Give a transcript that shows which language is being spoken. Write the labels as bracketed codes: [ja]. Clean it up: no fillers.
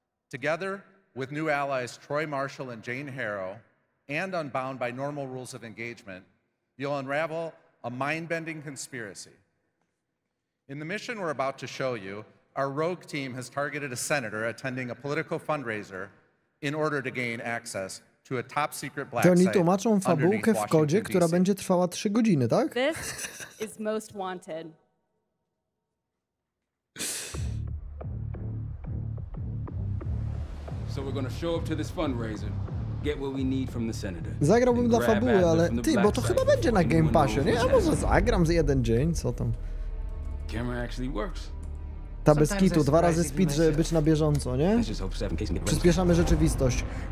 [en] Together with new allies Troy Marshall and Jane Harrow, and unbound by normal rules of engagement, you'll unravel a mind-bending conspiracy. In the mission we're about to show you, our rogue team has targeted a senator attending a political fundraiser in order to gain access to a top secret black site. [pl] Oni tłumaczą fabułkę w kodzie, która będzie trwała 3 godziny, tak? [en] This is most wanted. So we're going to show up to this fundraiser. Get what we need from the senator. [pl] Zagrałbym dla fabuły, ale ty, bo to chyba będzie na Game Passie, nie? A może zagram za jeden dzień, co tam? [en] Camera actually works. [pl] Ta bez kitu, dwa razy speed, żeby być na bieżąco, nie? Przyspieszamy rzeczywistość.